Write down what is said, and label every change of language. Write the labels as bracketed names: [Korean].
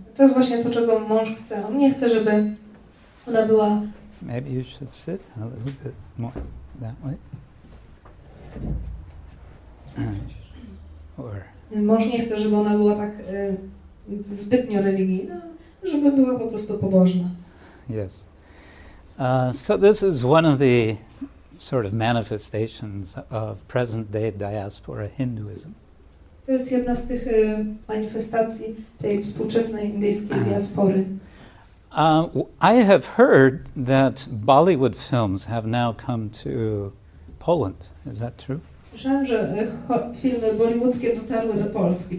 [Polish] To jest właśnie to, czego mąż chce. On nie chce, żeby ona była. [English] Maybe you should sit a little bit more that way. Or. [Polish] Mąż nie chce, żeby ona była tak zbytnio religijna, żeby była po prostu pobożna. [English] Yes. So this is one of the sort of manifestations of present-day diaspora Hinduism. [Polish] To jest jedna z tych manifestacji tej współczesnej indyjskiej diaspory. [English] I have heard that Bollywood films have now come to Poland. Is that true? [Polish] Słyszałem, że filmy bollywoodzkie dotarły do Polski.